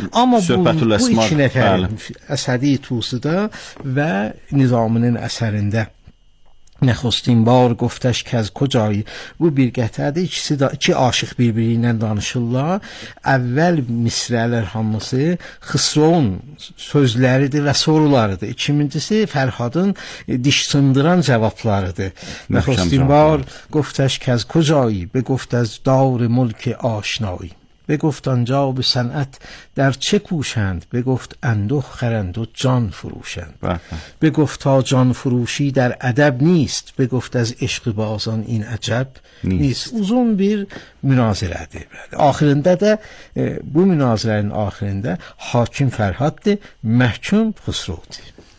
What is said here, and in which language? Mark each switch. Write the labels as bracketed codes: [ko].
[az] Amma bu iki nəfər Əsədi Tusi da və Nizaminin əsərində [fa] Nəxostin bar qoftəş kəz kocayı [az] bu bir qətədir. İkisi də iki aşıq bir-biri ilə danışırlar. Əvvəl misrələr hamısı Xısrovun sözləridir və sorularıdır. İkincisi Fərhadın diş sındıran cavablarıdır. [fa] Nəxostin bar qoftəş kəz kocayı be qoftəz davr mülki aşnayı. Be گفت آنجا به صنعت در چه کوشند به گفت اندوخ خرند و جان فروشند به گفت تا جان فروشی در ادب نیست به گفت از عشق بازان این عجب نیست [az] uzun bir münazirədir bəli axirində də bu münazirənin axirində hakim Fərhaddır məhkum Xüsrovdur